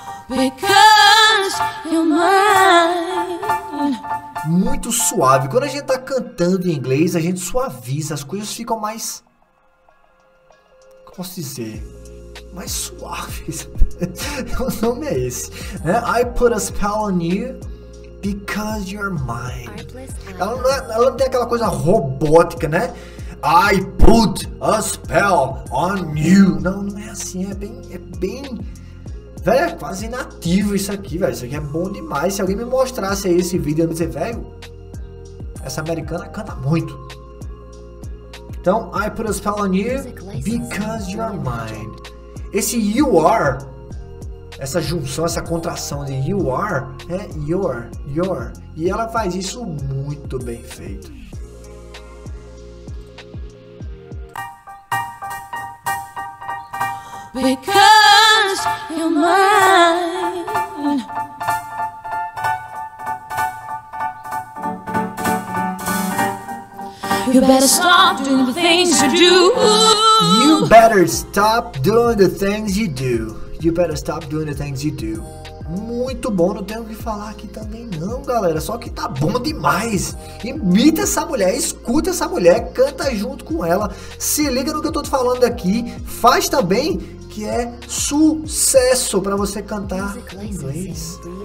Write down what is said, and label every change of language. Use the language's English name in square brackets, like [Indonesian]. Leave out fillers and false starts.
[English] Because you're mine. [Portuguese] muito suave. Quando a gente tá cantando em inglês, a gente suaviza, as coisas ficam mais, como posso dizer, mais suaves. O nome é esse, né? [English] I put a spell on you because you're mine. [Portuguese] Ela não tem aquela coisa robótica, né? [English] I put a spell on you. [Portuguese] Não, não é assim, é bem velho, é quase nativo isso aqui, velho. Isso aqui é bom demais. Se alguém me mostrasse aí esse vídeo, eu ia dizer, velho, essa americana canta muito. [English] Então, I put a spell on you because you're mine. [Portuguese] Esse you are, essa junção, essa contração de you are, é your. E ela faz isso muito bem feito. [English] Because you're mine. You better stop doing the things you do. You better stop doing the things you do. You better stop doing the things you do. [Portuguese] Muito bom, não tenho o que falar aqui também não, galera. Só que tá bom demais. Imita essa mulher, escuta essa mulher, canta junto com ela. Se liga no que eu tô te falando aqui. Faz também, que é sucesso pra você cantar em inglês.